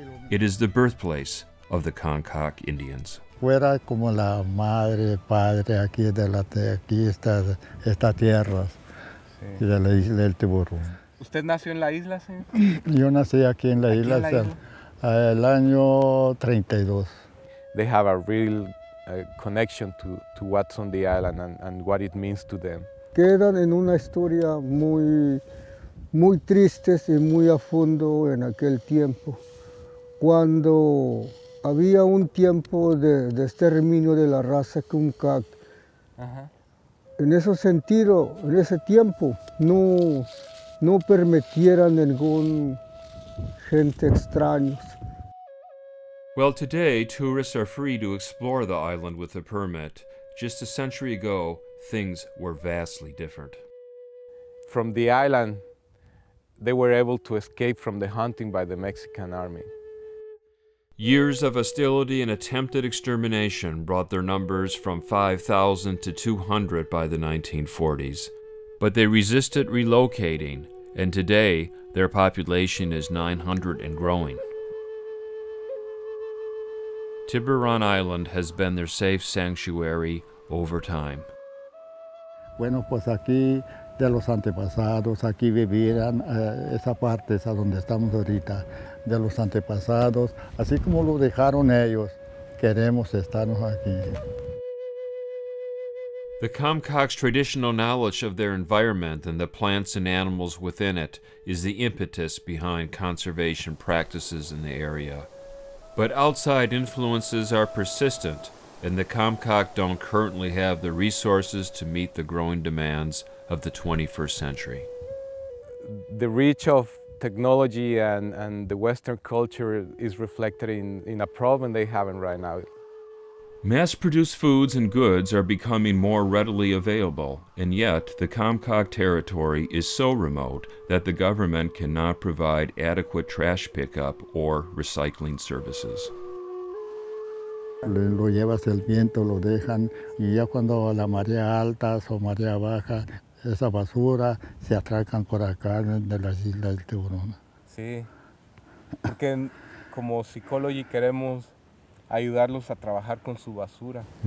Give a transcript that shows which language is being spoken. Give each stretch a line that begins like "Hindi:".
English: It is the birthplace of the Comca'ac Indians.
Spanish: Fuera como la madre, padre aquí de la aquí está esta tierra y de la isla del tiburón. ¿Usted nació en la isla, señor? Yo nací aquí en la isla. El año 32.
English: They have a real connection to what's on the island and what it means to them.
Spanish: Quedan en una historia muy, muy tristes y muy a fondo en aquel tiempo, cuando había un tiempo de exterminio de la raza Comca'ac. En ese sentido, en ese tiempo, no permitieran ningún gente extraña.
English: Well, today, tourists are free to explore the island with a permit. Just a century ago, things were vastly different. From the island, they were able to escape from the hunting by the Mexican army. Years of hostility and attempted extermination brought their numbers from 5,000 to 200 by the 1940s. But they resisted relocating, and today, their population is 900 and growing. Tiburon Island has been their safe sanctuary over time.
Spanish: Bueno, pues aquí de los antepasados, aquí vivían esa parte, esa donde estamos ahorita, de los antepasados, así como lo dejaron ellos, queremos estarnos aquí.
English: The Comcáac's traditional knowledge of their environment and the plants and animals within it is the impetus behind conservation practices in the area. But outside influences are persistent, and the Comcáac don't currently have the resources to meet the growing demands of the 21st century. The reach of technology and the Western culture is reflected in a problem they have right now. Mass-produced foods and goods are becoming more readily available, and yet the Comcáac territory is so remote that the government cannot provide adequate trash pickup or recycling services.
Spanish: Lo llevas el viento, lo dejan, y ya cuando la marea alta o marea baja, esa basura se atracan por acá de las islas del tiburón. Sí, porque como Seacology queremos ayudarlos a trabajar con su basura.